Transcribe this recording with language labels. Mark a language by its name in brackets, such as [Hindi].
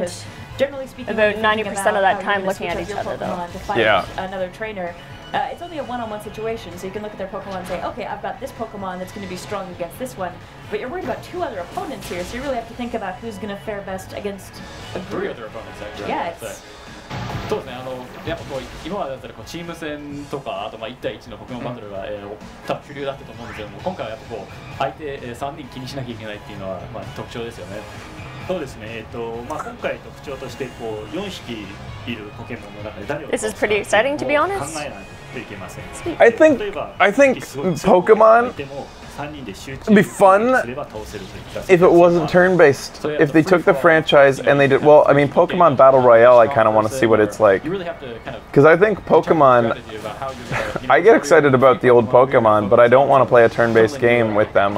[English] They spend generally speaking, about 90% of that time looking at each other, though. To find another trainer. It's only a one-on-one situation, so you can look at their Pokemon and say, okay, I've got this Pokemon that's going to be strong against this one. But you're worried about two other opponents here, so you really have to think about who's going to fare best against a group. Three other opponents, actually. Yes. [Japanese] そうですね、やっぱこう今までだったらこうチーム戦とかあとまあ1対1のポケモンバトルが、多分主流だったと思うんですけども今回はやっぱこう相手、3人気にしなきゃいけないっていうのは、まあ、特徴ですよねそうですね、まあ、今回特徴としてこう4匹いるポケモンの中で誰を [English] This is pretty exciting, to be honest. [Japanese] 考えないといけません [English] I think, 例えば、I think Pokemon It'd be fun if it wasn't turn-based. If they took the franchise and they did... Well, I mean, Pokemon Battle Royale, I kind of want to see what it's like. Because I think Pokemon... I get excited about the old Pokemon, but I don't want to play a turn-based game with them.